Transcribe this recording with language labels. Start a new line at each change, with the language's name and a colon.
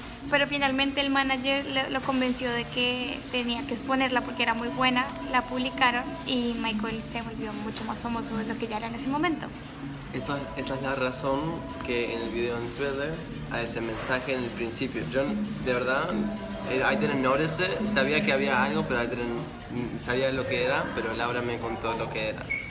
Spanish: Pero finalmente el manager lo convenció de que tenía que exponerla porque era muy buena. La publicaron y Michael se volvió mucho más famoso de lo que ya era en ese momento. Esa es la razón que en el video en Thriller hay ese mensaje en el principio. Yo, de verdad,
English: I didn't notice it.
Spanish: Sabía que había algo, pero sabía lo que era, pero Laura me contó lo que era.